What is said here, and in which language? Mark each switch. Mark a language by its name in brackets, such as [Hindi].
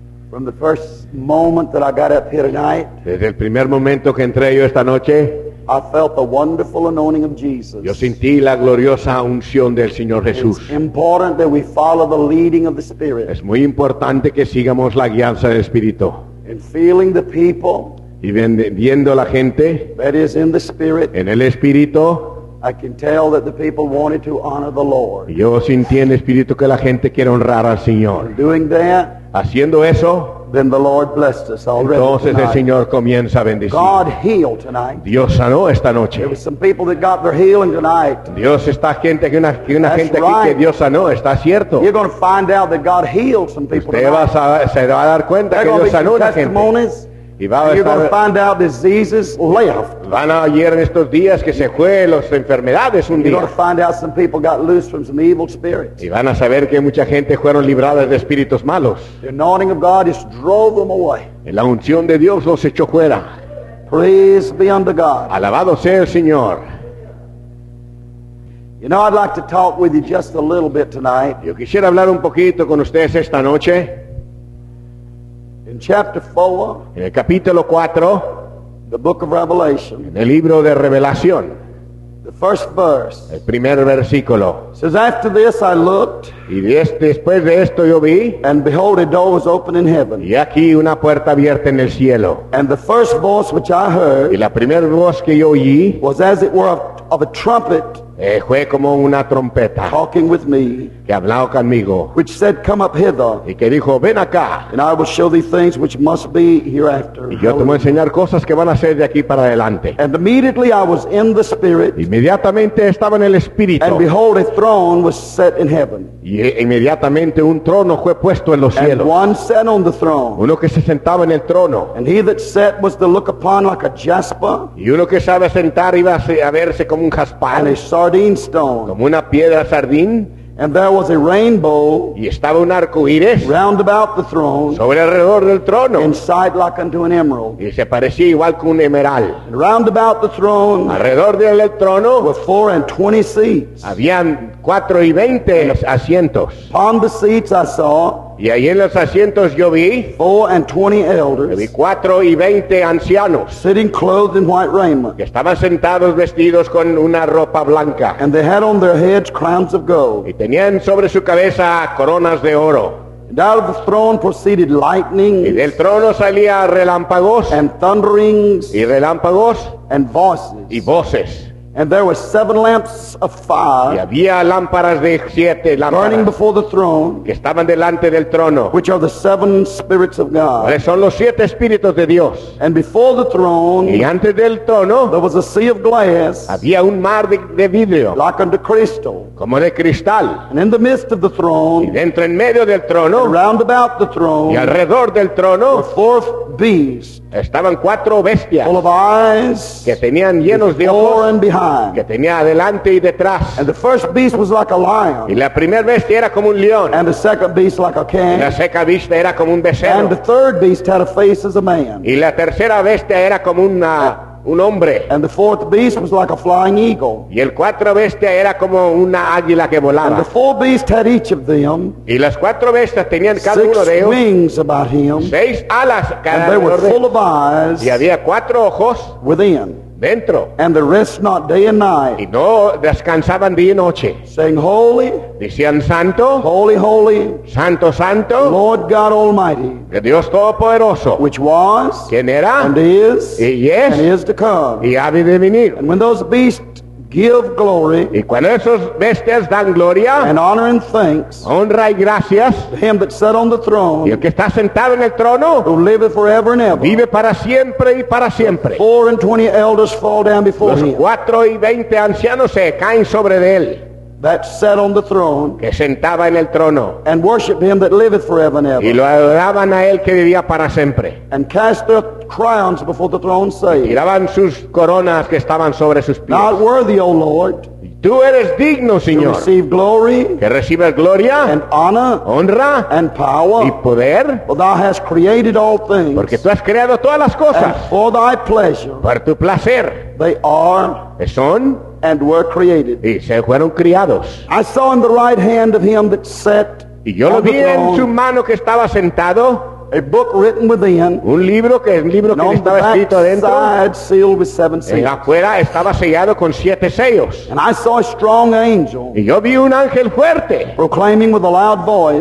[English] From the first moment that I got up here tonight. [Spanish] Desde el primer momento que entré yo esta noche. [English] I felt the wonderful anointing of Jesus. [Spanish] Yo sentí la gloriosa unción del Señor Jesús. [English] It's important that we follow the leading of the Spirit. [Spanish] Es muy importante que sigamos la guianza del Espíritu. [English] And feeling the people. [Spanish] Y viendo la gente. [English] That is in the Spirit. [Spanish] En el Espíritu. [English] I can tell that the people wanted to honor the Lord. [Spanish] Yo sentí en el Espíritu que la gente quiere honrar al Señor. [English] And doing that. [Spanish] Haciendo eso. [English] Then the Lord blessed us already. [Spanish] Entonces [English] tonight. [Spanish] El Señor comienza a bendecir. [English] God healed tonight. [Spanish] Dios sanó esta noche. [English] There were some people that got their healing tonight. [Spanish] Dios está gente que una gente aquí que Dios sanó, está cierto. [English] You're going to find out that God healed some people. [Spanish] Usted [English] tonight. [Spanish] Va a saber, se va a dar cuenta [English] there [Spanish] que Dios sanó a gente. [English] Testimonies. [Spanish] Y va a [English] you're [Spanish] estar, [English] going to find out diseases left. [Spanish] Van a ayer en estos días que se fue las enfermedades un día. [English] You're going to find out some people got loose from some evil spirits. [Spanish] Y van a saber que mucha gente fueron libradas de espíritus malos. [English] The anointing of God just drove them away. [Spanish] Y la unción de Dios los echó fuera. [English] Praise be unto God. [Spanish] Alabado sea el Señor. [English] You know, I'd like to talk with you just a little bit tonight. [Spanish] Yo quisiera hablar un poquito con ustedes esta noche. [English] In chapter 4, [Spanish] en el capítulo 4, [English] the book of Revelation, [Spanish] en el libro de Revelación, [English] the first verse, [Spanish] el primer versículo, [English] says, after this I looked, [Spanish] y después de esto yo vi, [English] and behold, a door was open in heaven, [Spanish] y aquí una puerta abierta en el cielo, [English] and the first voice which I heard, [Spanish] y la primera voz que yo oí, [English] was as it were of a trumpet, [Spanish] fue como una trompeta, [English] talking with me, [Spanish] que hablaba conmigo, [English] which said, come up hither, [Spanish] y que dijo, ven acá, [English] and I will show thee things which must be hereafter. [Spanish] Y yo te voy a enseñar cosas que van a ser de aquí para adelante. [English] And immediately I was in the Spirit, [Spanish] inmediatamente estaba en el Espíritu, [English] and behold, a throne was set in heaven, [Spanish] y inmediatamente un trono fue puesto en los cielos, [English] and one sat on the throne, [Spanish] uno que se sentaba en el trono, [English] and he that sat was to look upon like a jasper, [Spanish] y uno que sabe sentar iba a verse como un jaspar, [English] and a sardine stone, [Spanish] como una piedra sardín. [English] And there was a rainbow, [Spanish] y estaba un arco iris, [English] round about the throne, [Spanish] sobre alrededor del trono, [English] in sight like unto an emerald, [Spanish] y se parecía igual que un emerald. [English] And round about the throne, [Spanish] alrededor del trono, [English] were 24 seats, [Spanish] habían 24 asientos. [English] Upon the seats I saw, [Spanish] y ahí en los asientos yo vi, [English] 24 elders, [Spanish] vi 24 ancianos, [English] sitting clothed in white raiment, [Spanish] que estaban sentados vestidos con una ropa blanca, [English] and they had on their heads crowns of gold, [Spanish] y tenían sobre su cabeza coronas de oro. [English] And out of the throne proceeded lightnings, [Spanish] y del trono salía relámpagos, [English] and thunderings, [Spanish] y relámpagos, [English] and voices, [Spanish] y voces. [English] And there were 7 lamps of fire, [Spanish] y había lámparas de 7 lámparas, [English] burning before the throne, [Spanish] que estaban delante del trono, [English] which are the 7 spirits of God. [Spanish] ¿Cuáles son los 7 espíritus de Dios? [English] And before the throne, [Spanish] y antes del trono, [English] there was a sea of glass, [Spanish] había un mar de vidrio, [English] like unto crystal, [Spanish] como de cristal. [English] And in the midst of the throne, [Spanish] y dentro en medio del trono, [English] and round about the throne, [Spanish] y alrededor del trono, [English] were 4 beasts, [Spanish] estaban 4 bestias, [English] full of eyes, [Spanish] que tenían llenos de ojos, [English] and behind, [Spanish] que tenía adelante y detrás, [English] and the first beast was like a lion, [Spanish] y la primera bestia era como un león, [English] and the second beast like a king, [Spanish] y la segunda bestia era como un becerro, [English] and the third beast had a face as a man, [Spanish] y la tercera bestia era como un hombre, [English] and the fourth beast was like a flying eagle, [Spanish] y el cuarto bestia era como una águila que volaba, [English] and the four beasts had each of them, [Spanish] y las 4 bestias tenían cada uno de ellos [English] wings about him, [Spanish] 6 alas cada, [English] and they were full of eyes, [Spanish] y había 4 ojos [English] within, [Spanish] dentro, [English] and the rest not day and night, [Spanish] y no descansaban día y noche, [English] saying, holy, [Spanish] decían, santo, [English] holy, holy, [Spanish] santo, santo, [English] Lord God Almighty, [Spanish] que Dios Todopoderoso, [English] which was, [Spanish] quien era, [English] and is, [Spanish] y es, [English] and is to come, [Spanish] y ha de venir. [English] And when those beasts give glory, [Spanish] y cuando esos bestias dan gloria, [English] and honor and thanks, [Spanish] honra y gracias, [English] to him that sat on the throne, [Spanish] y el que está sentado en el trono, [English] who liveth forever and ever, [Spanish] vive para siempre y para siempre, [English] 24 elders fall down before [Spanish] los [English] him, [Spanish] los 24 ancianos se caen sobre de él, [English] that sat on the throne, [Spanish] que sentaba en el trono, [English] and worshiped him that liveth forever and ever, [Spanish] y lo adoraban a él que vivía para siempre, [English] and cast their crowns before the throne, saying, [Spanish] y tiraban sus coronas que estaban sobre sus pies, [English] not worthy, O Lord, [Spanish] tú eres digno, Señor, [English] to receive glory, [Spanish] que recibas gloria, [English] and honor, [Spanish] honra, [English] and power, [Spanish] y poder, [English] for thou hast created all things, [Spanish] porque tú has creado todas las cosas, [English] and for thy pleasure, [Spanish] por tu placer, [English] they are, [Spanish] que son, [English] and were created. [Spanish] Y se fueron criados. [English] I saw in the right hand of him that sat, [Spanish] y yo lo vi en su mano que estaba sentado, [English] a book written within, [Spanish] un libro que estaba escrito dentro, [English] sealed with seven seals. [Spanish] Y afuera estaba sellado con siete sellos. [English] And I saw a strong angel, [Spanish] y yo vi un ángel fuerte, [English] proclaiming with a loud voice,